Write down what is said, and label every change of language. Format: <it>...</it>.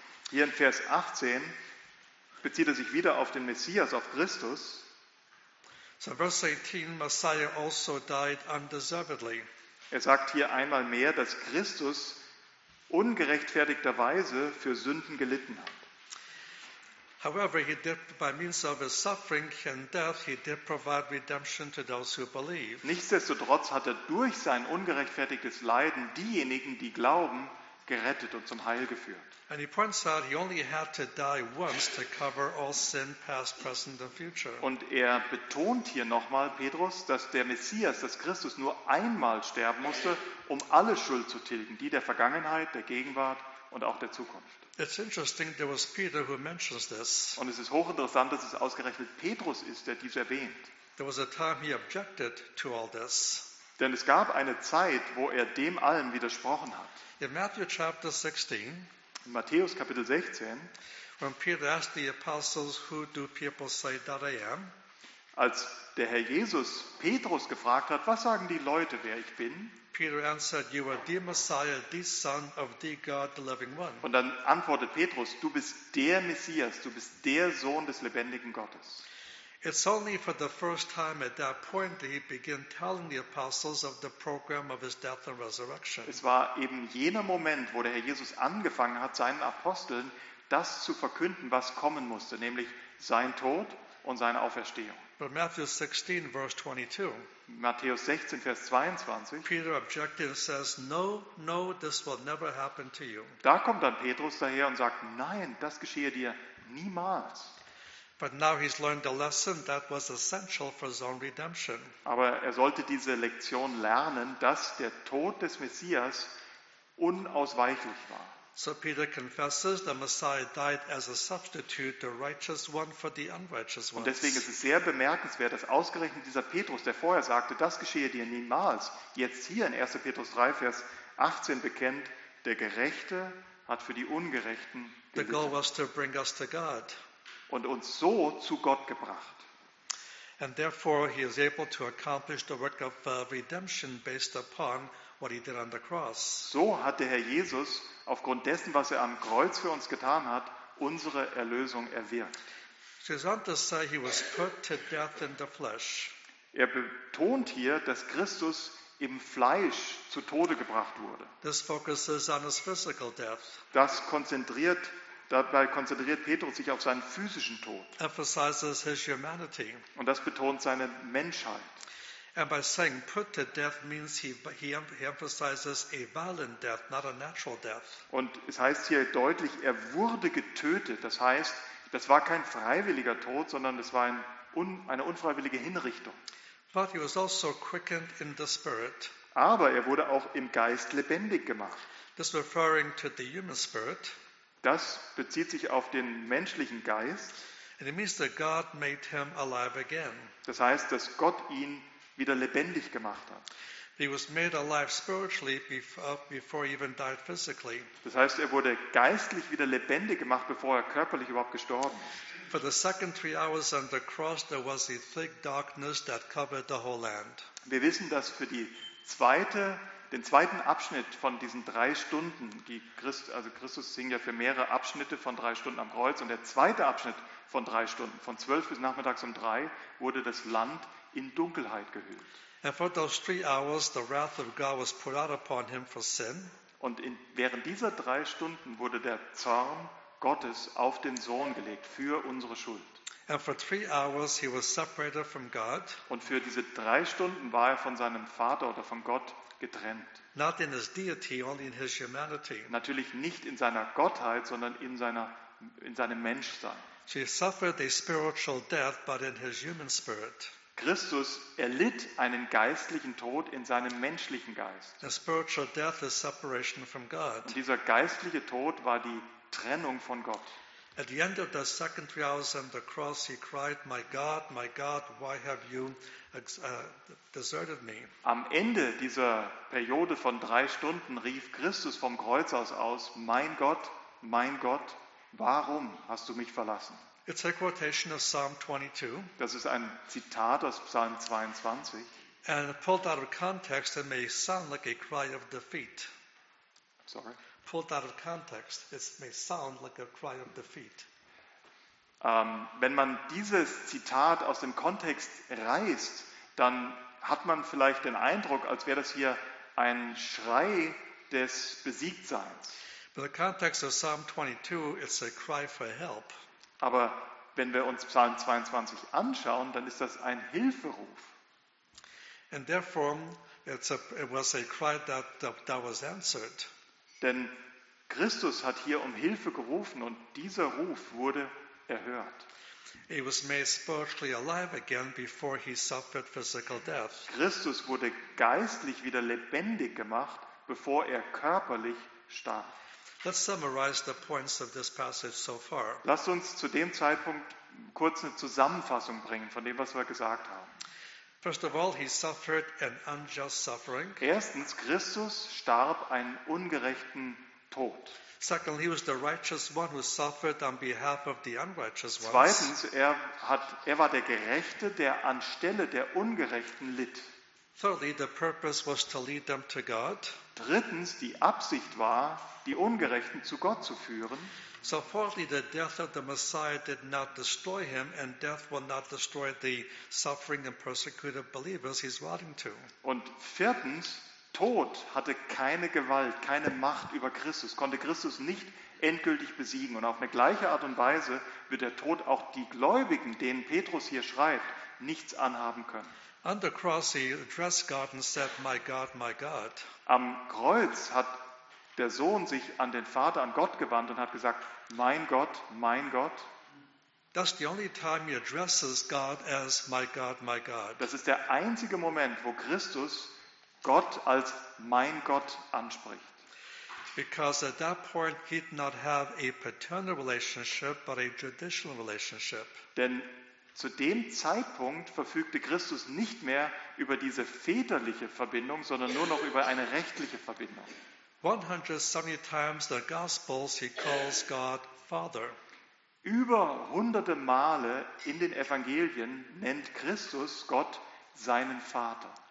<de>Hier in Vers 18 bezieht er sich wieder auf den Messias, auf Christus.</de> <en>So verse 18, Messiah also died undeservedly.</en> <de>Er sagt hier einmal mehr, dass Christus ungerechtfertigterweise für Sünden gelitten hat.</de> <en>However, he did, by means of his suffering and death, he did provide redemption to those who believe.</en> <de>Nichtsdestotrotz hat er durch sein ungerechtfertigtes Leiden diejenigen, die glauben, gerettet und zum Heil geführt.</de> <en>And he points out, he only had to die once to cover all sin, past, present and future.</en> <de>Und er betont hier nochmal, Petrus, dass der Messias, dass Christus nur einmal sterben musste, um alle Schuld zu tilgen, die der Vergangenheit, der Gegenwart und auch der Zukunft.</de> <en>It's interesting, there was Peter who mentions this.</en> <de>Und es ist hochinteressant, dass es ausgerechnet Petrus ist, der dies erwähnt.</de> <en>There was a time he objected to all this.</en> <de>Denn es gab eine Zeit, wo er dem allem widersprochen hat.</de> <en>In Matthew chapter 16,</en> <de>in Matthäus Kapitel 16,</de> <en>when Peter asked the apostles, "Who do people say that I am?"</en> <de>Als der Herr Jesus Petrus gefragt hat, was sagen die Leute, wer ich bin?</de> <en>Peter answered, "You are the Messiah, the Son of the God, the Living One."</en> <de>Und dann antwortet Petrus, du bist der Messias, du bist der Sohn des lebendigen Gottes.</de> <en>It's only for the first time at that point that he began telling the apostles of the program of his death and resurrection.</en> <de>Es war eben jener Moment, wo der Herr Jesus angefangen hat, seinen Aposteln das zu verkünden, was kommen musste, nämlich sein Tod und seine Auferstehung.</de> <en>But Matthew 16, verse 22.</en> <de>Matthäus 16, Vers 22.</de> <en>Peter objected and says, "No, no, this will never happen to you."</en> <de>Da kommt dann Petrus daher und sagt, nein, das geschehe dir niemals.</de> <en>But now he's learned a lesson that was essential for his own redemption.</en> <de>Aber er sollte diese Lektion lernen, dass der Tod des Messias unausweichlich war.</de> <en>So Peter confesses the Messiah died as a substitute, the righteous one for the unrighteous one.</en> <de>Und deswegen ist es sehr bemerkenswert, dass ausgerechnet dieser Petrus, der vorher sagte, das geschehe dir niemals, jetzt hier in 1. Petrus 3, Vers 18 bekennt, der Gerechte hat für die Ungerechten gelitten.</de> <en>The goal was to bring us to God.</en> <de>Und uns so zu Gott gebracht.</de> <en>And therefore he is able to accomplish the work of redemption based upon what he did on the cross.</en> <de>So hat der Herr Jesus aufgrund dessen, was er am Kreuz für uns getan hat, unsere Erlösung erwirkt.</de> <en>He was put to death in the flesh.</en> <de>Er betont hier, dass Christus im Fleisch zu Tode gebracht wurde.</de> <en>This focuses on his physical death.</en> <de>Das konzentriert Dabei konzentriert Petrus sich auf seinen physischen Tod.</de> <en>Emphasizes his humanity.</en> <de>Und das betont seine Menschheit.</de> <en>And by saying put to death means he emphasizes a violent death, not a natural death.</en> <de>Und es heißt hier deutlich, er wurde getötet. Das heißt, das war kein freiwilliger Tod, sondern es war eine unfreiwillige Hinrichtung.</de> <en>But he was also quickened in the spirit.</en> <de>Aber er wurde auch im Geist lebendig gemacht.</de> <en>This referring to the human spirit.</en> <de>Das bezieht sich auf den menschlichen Geist.</de> <en>And it means that God made him alive again.</en> <de>Das heißt, dass Gott ihn wieder lebendig gemacht hat.</de> <en>He was made alive spiritually before he even died physically.</en> <de>Das heißt, er wurde geistlich wieder lebendig gemacht, bevor er körperlich überhaupt gestorben ist.</de> <en>for the second 3 hours on the cross there was a thick darkness that covered the whole land.</en> <de>Wir wissen, dass für die zweite, den zweiten Abschnitt von diesen 3 Stunden, die Christus hing ja für mehrere Abschnitte von 3 Stunden am Kreuz, und der zweite Abschnitt von 3 Stunden, von 12 bis nachmittags um 3, wurde das Land in Dunkelheit gehüllt.</de> <en>And for those 3 hours, the wrath of God was put out upon him for sin.</en> <de>Und während dieser 3 Stunden wurde der Zorn Gottes auf den Sohn gelegt für unsere Schuld.</de> <en>And for 3 hours he was separated from God.</en> <de>Und für diese 3 Stunden war er von seinem Vater oder von Gott getrennt.</de> <en>Not in his deity, only in his humanity.</en> <de>Natürlich nicht in seiner Gottheit, sondern in seinem Menschsein.</de> <en>He suffered a spiritual death, but in his human spirit.</en> <de>Christus erlitt einen geistlichen Tod in seinem menschlichen Geist.</de> <en>A spiritual death is separation from God.</en> <de>Und dieser geistliche Tod war die Trennung von Gott.</de> <en>At the end of the second 3 hours on the cross, he cried, my God, why have you deserted me?</en> <de>Am Ende dieser Periode von 3 Stunden rief Christus vom Kreuz aus, mein Gott, warum hast du mich verlassen?</de> <en>It's a quotation of Psalm 22.</en> <de>Das ist ein Zitat aus Psalm 22.</de> <en>And pulled out of context, it may sound like a cry of defeat. Sorry. Pulled out of context, it may sound like a cry of defeat.</en> <de>Wenn man dieses Zitat aus dem Kontext reißt, dann hat man vielleicht den Eindruck, als wäre das hier ein Schrei des Besiegtseins.</de> <en>But the context of Psalm 22, it's a cry for help.</en> <de>Aber wenn wir uns Psalm 22 anschauen, dann ist das ein Hilferuf.</de> <en>And therefore, it was a cry that was answered.</en> <de>Denn Christus hat hier um Hilfe gerufen und dieser Ruf wurde erhört.</de> <en>He was made spiritually alive again before he suffered physical death.</en> <de>Christus wurde geistlich wieder lebendig gemacht, bevor er körperlich starb.</de> <en>Let's summarize the points of this passage so far.</en> <de>Lasst uns zu dem Zeitpunkt kurz eine Zusammenfassung bringen von dem, was wir gesagt haben.</de> <en>First of all, he suffered an unjust suffering.</en> <de>Erstens, Christus starb einen ungerechten Tod.</de> <en>Secondly, he was the righteous one who suffered on behalf of the unrighteous ones.</en> <de>Zweitens, er war der Gerechte, der anstelle der Ungerechten litt.</de> <en>Thirdly, the purpose was to lead them to God.</en> <de>Drittens, die Absicht war, die Ungerechten zu Gott zu führen.</de> <en>So fourthly, the death of the Messiah did not destroy him, and death will not destroy the suffering and persecuted believers he's writing to.</en> <de>Und viertens, Tod hatte keine Gewalt, keine Macht über Christus, konnte Christus nicht endgültig besiegen. Und auf eine gleiche Art und Weise wird der Tod auch die Gläubigen, denen Petrus hier schreibt, nichts anhaben können.</de> <en>On the cross he addressed God and said, my God, my God.</en> <de>Am Kreuz hat der Sohn sich an den Vater, an Gott gewandt und hat gesagt, mein Gott, mein Gott.</de> <en>That's the only time he addresses God as my God, my God.</en> <de>Das ist der einzige Moment, wo Christus Gott als mein Gott anspricht.</de> <en>Because at that point he did not have a paternal relationship, but a judicial relationship.</en> <de>Denn zu dem Zeitpunkt verfügte Christus nicht mehr über diese väterliche Verbindung, sondern nur noch über eine rechtliche Verbindung.</de> <en>170 times the Gospels he calls God Father.</en> <de>Über hunderte Male in den Evangelien nennt Christus Gott seinen Vater.</de>